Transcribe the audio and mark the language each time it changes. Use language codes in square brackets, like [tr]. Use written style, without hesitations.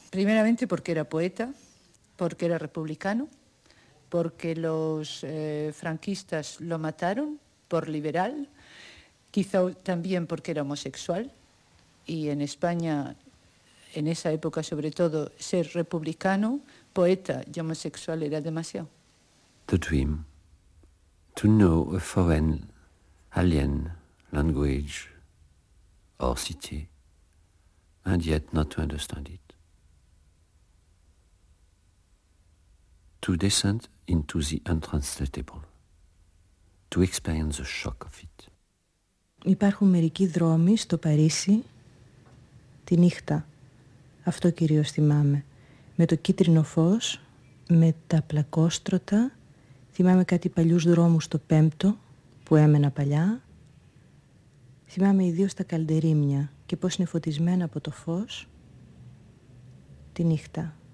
[es] Primeramente porque era poeta, porque era republicano, porque los franquistas lo mataron por liberal, quizá también porque era homosexual, y en España, en esa época sobre todo, ser republicano, poeta y homosexual era demasiado. [en] The dream. To know a foreign alien language or city, and yet not to understand it. To descend into the untranslatable, to experience the shock of it. [el] Υπάρχουν μερικοί δρόμοι στο Παρίσι, τη νύχτα, αυτό κυρίως θυμάμαι, με το κίτρινο φως, με τα πλακόστρωτα, θυμάμαι κάτι παλιούς δρόμους στο Πέμπτο, που έμενα παλιά, θυμάμαι ιδίως τα καλντερίμια και πώς είναι φωτισμένα από το φως τη νύχτα.